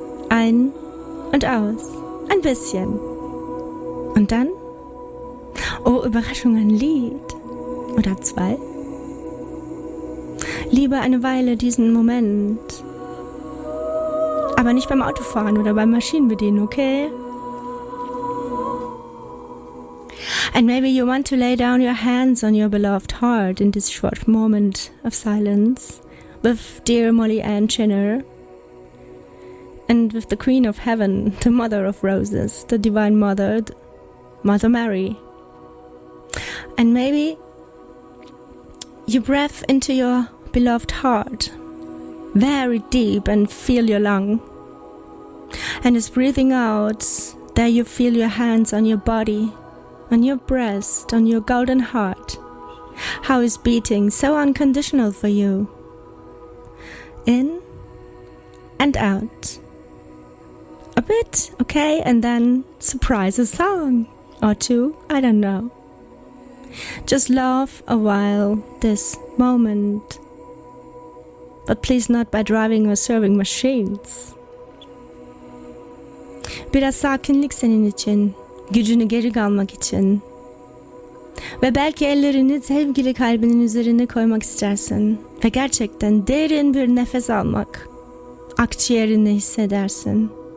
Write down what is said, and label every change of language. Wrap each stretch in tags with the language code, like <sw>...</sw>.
<de>Ein und aus. Ein bisschen. Und dann? Oh, Überraschung, ein Lied. Oder zwei? Lieber eine Weile diesen Moment. Aber nicht beim Autofahren oder beim Maschinenbedienen, okay?</de> <en>And maybe you want to lay down your hands on your beloved heart in this short moment of silence with dear Molly Ann Chinner and with the Queen of Heaven, the Mother of Roses, the Divine Mother, Mother Mary. And maybe you breathe into your beloved heart very deep and feel your lung. And as breathing out, there you feel your hands on your body, on your breast, on your golden heart. How is beating so unconditional for you? In and out. A bit, okay, and then surprise a song or two, I don't know. Just love a while this moment. But please not by driving or serving machines.</en> <tr>Bir sakinlik senin için. Gücünü geri kalmak için. Ve belki ellerini sevgili kalbinin üzerine koymak istersin. Ve gerçekten derin bir nefes almak. Akciğerini hissedersin.</tr>